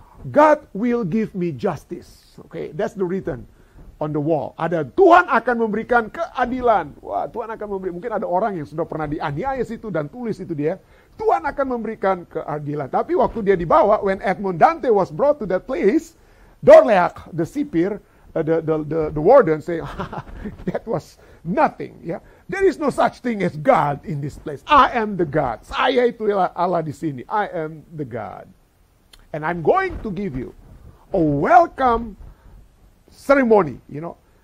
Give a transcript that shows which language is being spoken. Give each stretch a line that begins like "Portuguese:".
English: God will give me justice. Okay, that's the written on the wall.
Indonesian: Ada Tuhan akan memberikan keadilan. Wah, Tuhan akan memberi. Mungkin ada orang yang sudah pernah dianiaya situ dan tulis itu dia. Tuhan akan memberikan keadilan. Tapi waktu dia dibawa,
English: when Edmond Dantès was brought to that place, Dorleac, the sipir, the warden, say, that was nothing. Yeah? There is no such thing as God in this place. I am the God.
Indonesian: Saya itu Allah di sini.
English: I am the God. And I'm going to give you a welcome ceremony, you know.